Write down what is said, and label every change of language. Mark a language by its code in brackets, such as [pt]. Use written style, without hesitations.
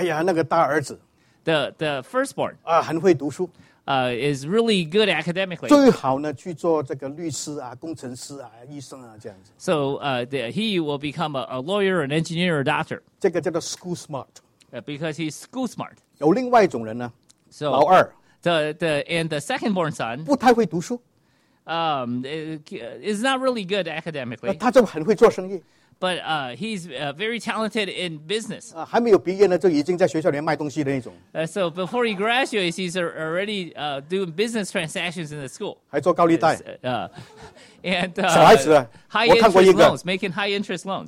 [zh] 哎呀，那个大儿子，the [en] firstborn. [zh] 啊，很会读书。 [en] Is really good academically. [zh] 最好呢去做这个律师啊、工程师啊、医生啊这样子。 [en] So he will become a lawyer, an engineer, or a doctor. [zh] 这个叫做 [en] school smart. Because he's school smart. [zh] 有另外一种人呢， [en] so, [zh] 老二。 [en] The second born son. [zh] 不太会读书。 [en] Is not really good academically. [zh] 他就很会做生意。 [en] But he's very talented in business. [zh] 还没有毕业呢，就已经在学校里面卖东西的那种。 [en] So before he graduates, he's already doing business transactions in the school. [zh] 还做高利贷。 [en] And [zh] 小孩子, [en] high interest loans, making high interest loans.